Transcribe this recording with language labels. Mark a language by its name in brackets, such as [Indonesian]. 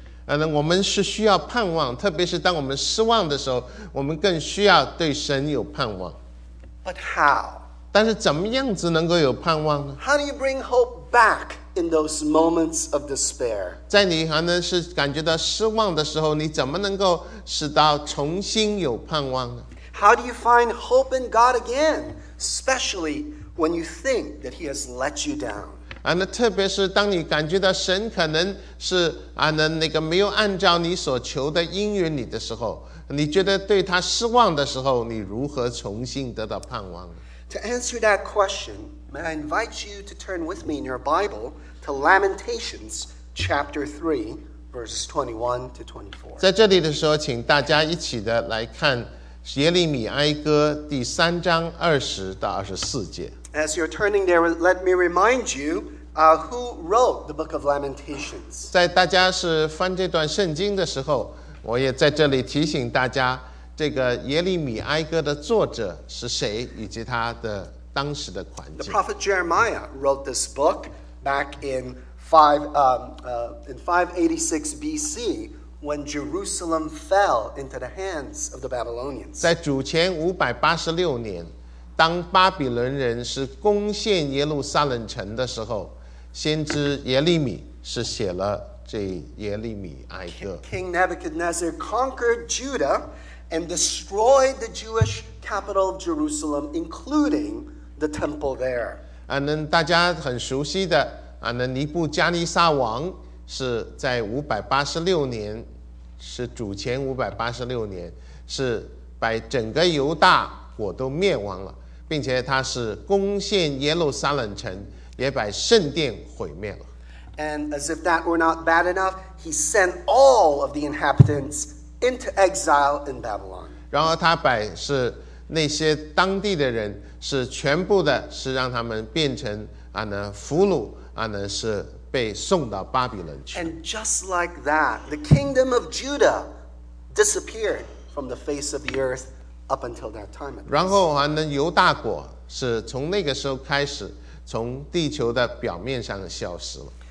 [Chinese] 我们是需要盼望，特别是当我们失望的时候，我们更需要对神有盼望。 [English] But how? [Chinese] 但是怎么样子能够有盼望呢？ [English] How do you bring hope back? In those moments of despair, [Chinese] 在你还能是感觉到失望的时候，你怎么能够使到重新有盼望呢？ [English] How do you find hope in God again, especially when you think that He has let you down? [Chinese] 那特别是当你感觉到神可能是那个没有按照你所求的应允你的时候，你觉得对他失望的时候，你如何重新得到盼望呢？ [English] To answer that question. May I invite you to turn with me in your Bible to Lamentations chapter 3, verses 21 to 24. [Chinese] 在这里的时候，请大家一起的来看耶利米哀歌第三章二十到二十四节。 [English] As you're turning there, let me remind you, who wrote the book of Lamentations. [Chinese] 在大家是翻这段圣经的时候，我也在这里提醒大家，这个耶利米哀歌的作者是谁，以及他的。当时的环境。 [English] The prophet Jeremiah wrote this book back in 586 BC when Jerusalem fell into the hands of the Babylonians. [Chinese] 在主前586年，当巴比伦人是攻陷耶路撒冷城的时候，先知耶利米是写了这耶利米哀歌。 [English] King Nebuchadnezzar conquered Judah and destroyed the Jewish capital of Jerusalem, including. The temple there. [Chinese] 大家很熟悉的尼布加尼撒王是在586年，是主前586年，是把整个犹大国都灭亡了，并且他是攻陷耶路撒冷城，也把圣殿毁灭了。 [English] And as if that were not bad enough, he sent all of the inhabitants into exile in Babylon. [Chinese] 然后他把是那些当地的人是全部的是让他们变成俘虏是被送到巴比伦去。 [English] And just like that, the kingdom of Judah disappeared from the face of the earth up until that time. [Chinese] 然后犹大国是从那个时候开始从地球的表面上消失了。